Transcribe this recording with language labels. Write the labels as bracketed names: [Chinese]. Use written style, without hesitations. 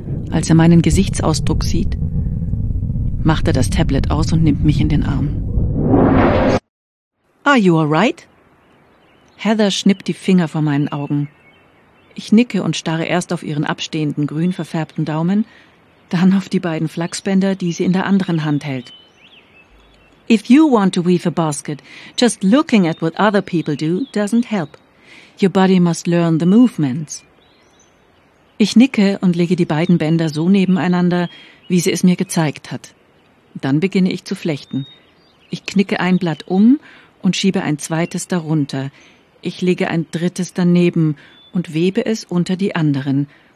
[German] Als er meinen Gesichtsausdruck sieht, macht er das Tablet aus und nimmt mich in den Arm. [English] Are you all right? [German] Heather schnippt die Finger vor meinen Augen. Ich nicke und starre erst auf ihren abstehenden, grün verfärbten Daumen, dann auf die beiden Flachsbänder, die sie in der anderen Hand hält. [English] If you want to weave a basket, just looking at what other people do doesn't help. Your body must learn the movements. [German] Ich nicke und lege die beiden Bänder so nebeneinander, wie sie es mir gezeigt hat. Dann beginne ich zu flechten. Ich knicke ein Blatt um und schiebe ein zweites darunter. Ich lege ein drittes daneben und webe es unter die anderen.